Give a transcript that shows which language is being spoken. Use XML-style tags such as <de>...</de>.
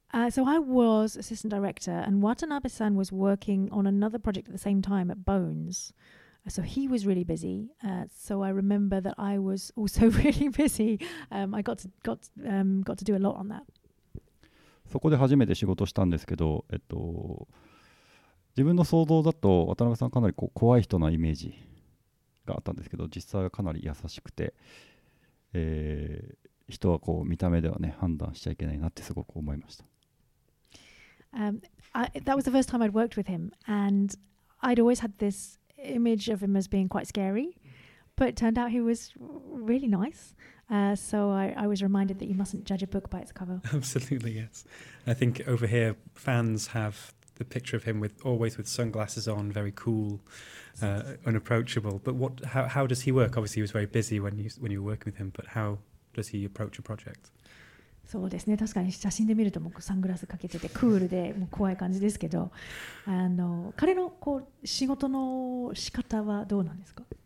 <en>So I was assistant director, and Watanabe-san was working on another project at the same time at Bones. So he was really busy. So I remember that I was also really busy. I got to do a lot on that.</en> <ja>そこで初めて仕事したんですけど、自分の想像だと渡辺さんかなりこう怖い人なイメージがあったんですけど、実際はかなり優しくて、人はこう見た目ではね判断しちゃいけないなってすごく思いました。</ja> <en>That was the first time I'd worked with him, and I'd always had this image of him as being quite scary, but turned out he was really nice. So I was reminded that you mustn't judge a book by its cover. Absolutely, yes. I think over here fans have the picture of him with always with sunglasses on, very cool, unapproachable. But what? How does he work? Obviously, he was very busy when you were working with him. But how does he approach a project?</en> <ja>そうですね、確かに写真で見るともうサングラスかけててクールでもう怖い感じですけど、あの彼のこう仕事の仕方はどうなんですか？</ja>